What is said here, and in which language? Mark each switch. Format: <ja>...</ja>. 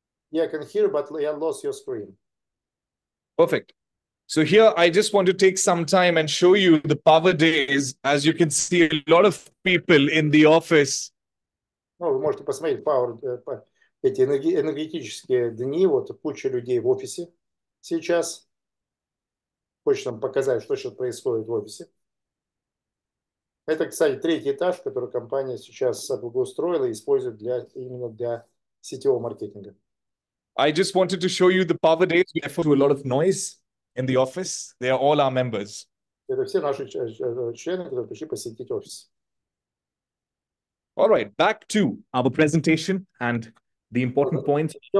<en>Yeah, I can hear, but I lost your screen. Perfect. So here, I just want to take some time and show you the power days. As you can see, a lot of people in the office.</en> <ru>Ну, вы можете посмотреть power, эти энергетические дни, вот куча людей в офисе сейчас. Хочешь нам показать, что сейчас происходит в офисе. Это, кстати, третий этаж, который компания сейчас благоустроила и использует для, именно для сетевого маркетинга.</ru> <en>I just wanted to show you the power days. We have a lot of noise in the office. They are all our members.</en> <ru>Это все наши члены, которые пришли посетить офис.</ru> <en>All right, back to our presentation and the important points.</en>